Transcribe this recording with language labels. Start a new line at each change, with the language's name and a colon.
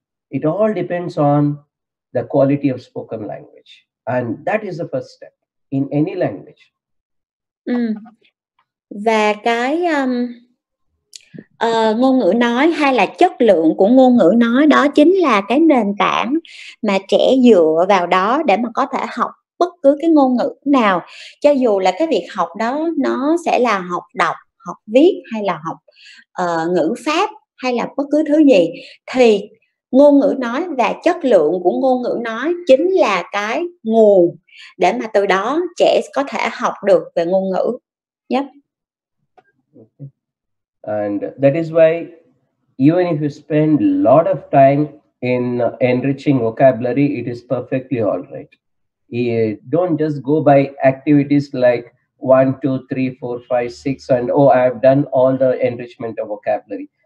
English: It all depends on the quality of spoken language. And that is the first step in any language.
Vietnamese: Và cái ngôn ngữ nói hay là chất lượng của ngôn ngữ nói đó chính là cái nền tảng mà trẻ dựa vào đó để mà có thể học bất cứ cái ngôn ngữ nào, cho dù là cái việc học đó nó sẽ là học đọc, học viết hay là học ngữ pháp hay là bất cứ thứ gì, thì ngôn ngữ nói và chất lượng của ngôn ngữ nói chính là cái nguồn để mà từ đó trẻ có thể học được về ngôn ngữ.
English: Yep. And that is why even if you spend a lot of time in enriching vocabulary, it is perfectly all right. You don't just go by activities like 1, 2, 3, 4, 5, 6 and oh, I've done all the enrichment of vocabulary.